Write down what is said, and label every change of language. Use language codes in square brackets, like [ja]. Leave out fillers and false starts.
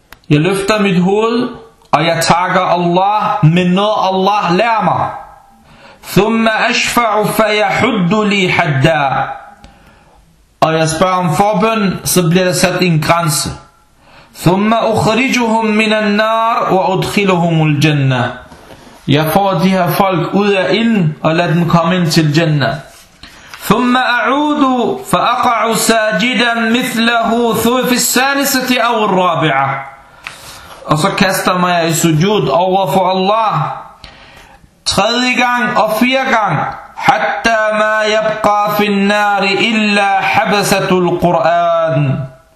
[da] Jeg løfter mit hoved, og jeg takker Allah med noget, Allah lærer mig. [ar] ثُمَّ أَشْفَعُ فَيَحُدُّ لِي حَدَّى. [da] Og jeg spørger om forbøn, så bliver der sat en grænse. [ar] ثم أخرجهم من النار وأدخلهم الجنة. [da] Jeg får de her folk ud af ilden og lad dem komme ind til الجنة. [ar] ثم أعود فأقع ساجدا مثله في الثالثة أو الرابعة. [da] Og så kaster mig jeg i sujud over for Allah tredje gang og fire gang. [ar] حتى ما يبقى في النار إلا حبسة القرآن.